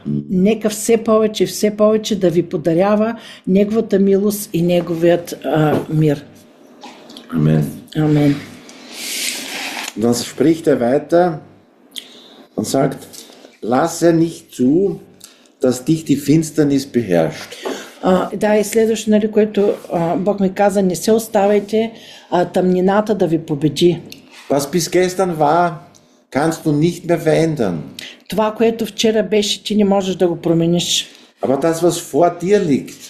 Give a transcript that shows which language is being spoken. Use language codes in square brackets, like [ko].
[bg] нека все повече и все повече да ви подарява Неговата милост и Неговият мир. Амен. Амен. [de] Dann spricht weiter und sagt, lasse nicht zu, dass dich die Finsternis beherrscht. [bg] Да, и следващо, нали, което Бог ми каза, не се оставайте тъмнината да ви победи. [de] Was bis gestern war, kannst du nicht mehr verändern. [bg] Това, което вчера беше, ти не можеш да го промениш. [de] Aber das, was vor dir liegt,